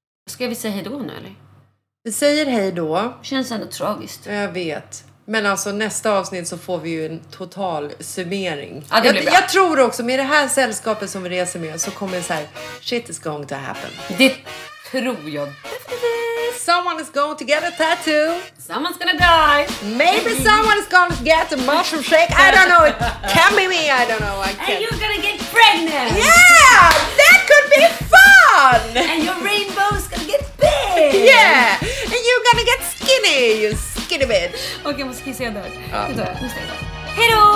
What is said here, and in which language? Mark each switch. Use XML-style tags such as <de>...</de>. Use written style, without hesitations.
<sv>Ska vi säga hej då nu eller? Vi säger hej då. Det känns ändå tragiskt. Jag vet. Men alltså nästa avsnitt så får vi ju en total summering. Ja, det blir bra. Jag tror också med det här sällskapet som vi reser med så kommer det så här:</sv> <en>shit is going to happen.</en> <sv>Det tror jag.</sv> <en>Someone is going to get a tattoo. Someone's gonna die. Maybe someone is going to get a mushroom shake. I don't know. It can be me. I don't know. I can't. And you're gonna get pregnant. Yeah, that could be fun. And your rainbow's gonna get big. Yeah, and you're gonna get skinny. You skinny bitch.</en> <sv>Okej, okay, måste kissa igen där. Hej då.</sv>